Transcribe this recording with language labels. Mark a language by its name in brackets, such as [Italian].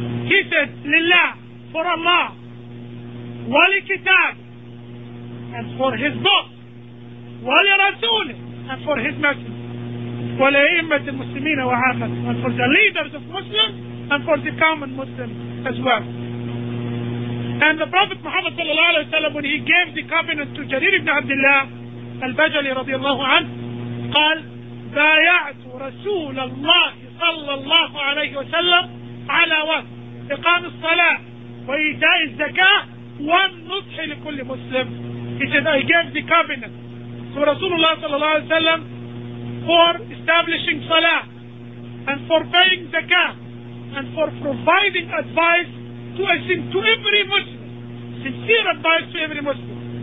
[English] He said, Lillah, for Allah, Wali Kitab, and for his book, Wali Rasul, and for his messenger. [Arabic] ولأئمة المسلمين وعامة, [English] and for the leaders of Muslims and for the common Muslims as well. And the Prophet Muhammad صلى الله عليه وسلم, when he gave the covenant to Jarir ibn Abdullah al-Bajali [Arabic] رضي الله عنه, قال بايعت رسول الله صلى الله عليه وسلم على وفد إقام الصلاة وإيتاء الزكاة والنصح لكل مسلم. [English] He said, I gave the covenant to Rasulullah صلى الله عليه وسلم for establishing salah and for paying zakah and for providing advice to every Muslim, sincere advice to every Muslim.